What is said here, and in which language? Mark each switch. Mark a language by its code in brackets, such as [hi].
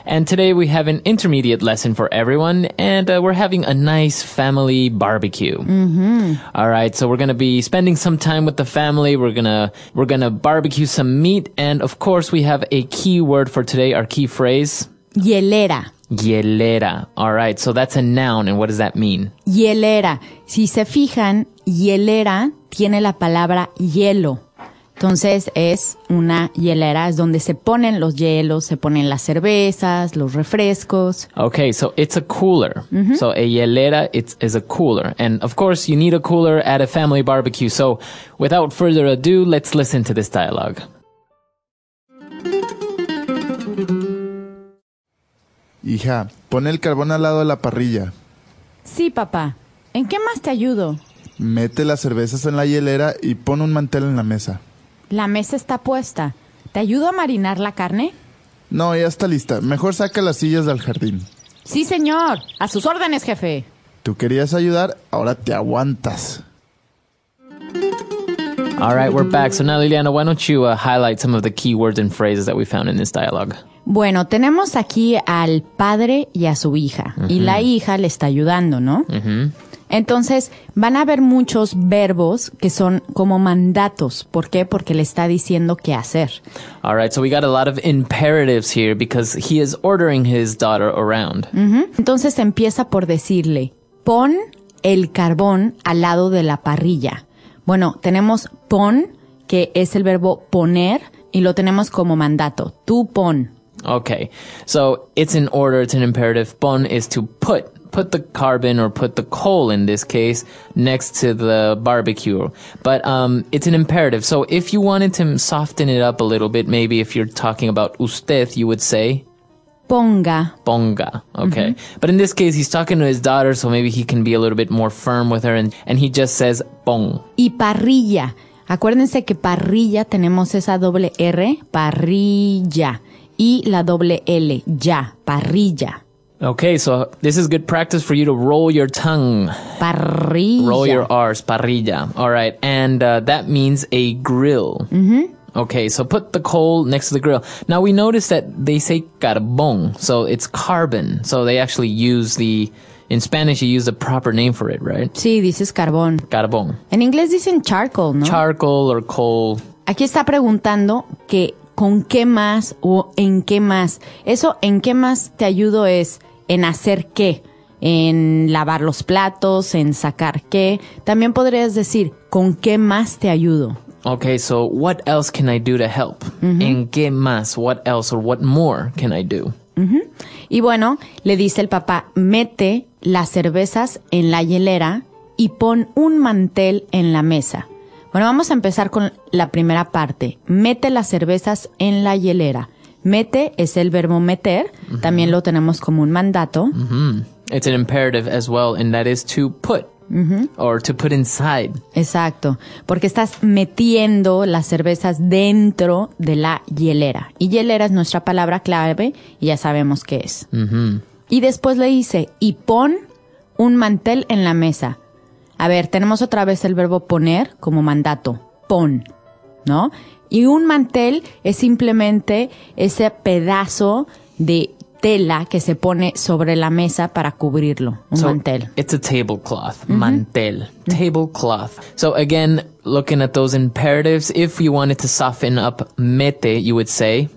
[en] And today we have an intermediate lesson for everyone, and we're having a nice family barbecue. Mm-hmm. All right, so we're going to be spending some time with the family. We're gonna barbecue some meat, and of course, we have a key word for today, our key phrase. [es] Hielera. Hielera. [en] All right, so that's a noun, and what does that mean? [es] Hielera. Si se fijan, hielera tiene la palabra hielo. Entonces, es una hielera, es donde se ponen los hielos, se ponen las cervezas, los refrescos. [en] Okay, so it's a cooler. Mm-hmm. So a hielera is a cooler. And of course, you need a cooler at a family barbecue. So without further ado, let's listen to this dialogue. [es] Hija, pon el carbón al lado de la parrilla. Sí, papá. ¿En qué más te ayudo? Mete las cervezas en la hielera y pon un mantel en la mesa. La mesa está puesta. ¿Te ayudo a marinar la carne? No, ya está lista. Mejor saca las sillas del jardín. Sí, señor. A sus órdenes, jefe. Tú querías ayudar, ahora te aguantas. [en] All right, we're back. So now, Liliana, why don't you highlight some of the key words and phrases that we found in this dialogue? [es] Bueno, tenemos aquí al padre y a su hija. Mm-hmm. Y la hija le está ayudando, ¿no? Mm-hmm. Entonces, van a haber muchos verbos que son como mandatos. ¿Por qué? Porque le está diciendo qué hacer. [en] All right, so we got a lot of imperatives here because he is ordering his daughter around. Mm-hmm. [es] Entonces, empieza por decirle, pon el carbón al lado de la parrilla. Bueno, tenemos pon, que es el verbo poner, y lo tenemos como mandato. Tú pon. [en] Okay, so it's an order, it's an imperative. Pon is to put. Put the carbon, or put the coal in this case, next to the barbecue. But it's an imperative. So if you wanted to soften it up a little bit, maybe if you're talking about usted, you would say... [es] Ponga. [en] Ponga. Okay. Mm-hmm. But in this case, he's talking to his daughter, so maybe he can be a little bit more firm with her. And he just says, pong. [es] Y parrilla. Acuérdense que parrilla tenemos esa doble R, parrilla. Y la doble L, ya, parrilla. [en] Okay, so this is good practice for you to roll your tongue. [es] Parrilla. [en] Roll your R's, parrilla. All right, and that means a grill. Mm-hmm. Okay, so put the coal next to the grill. Now, we notice that they say carbón, so it's carbon. So they actually use the, in Spanish, you use the proper name for it, right? [es] Sí, dices carbón. Carbón. En inglés dicen charcoal, ¿no? [en] Charcoal or coal. [es] Aquí está preguntando que... ¿Con qué más o en qué más? Eso, ¿en qué más te ayudo? Es en hacer qué, en lavar los platos, en sacar qué. También podrías decir, ¿con qué más te ayudo? [en] Okay, so what else can I do to help? Uh-huh. [es] ¿En qué más? [en] What else or what more can I do? Uh-huh. [es] Y bueno, le dice el papá, mete las cervezas en la hielera y pon un mantel en la mesa. Bueno, vamos a empezar con la primera parte. Mete las cervezas en la hielera. Mete es el verbo meter. Uh-huh. También lo tenemos como un mandato. Uh-huh. [en] It's an imperative as well, and that is to put. Uh-huh. Or to put inside. [es] Exacto. Porque estás metiendo las cervezas dentro de la hielera. Y hielera es nuestra palabra clave, y ya sabemos qué es. Uh-huh. Y después le dice, y pon un mantel en la mesa. A ver, tenemos otra vez el verbo poner como mandato, pon, ¿no? Y un mantel es simplemente ese pedazo de tela que se pone sobre la mesa para cubrirlo, un [en] so [es] mantel. [en] It's a tablecloth, mm-hmm. Mantel, tablecloth. So again, looking at those imperatives, if you wanted to soften up mete, you would say...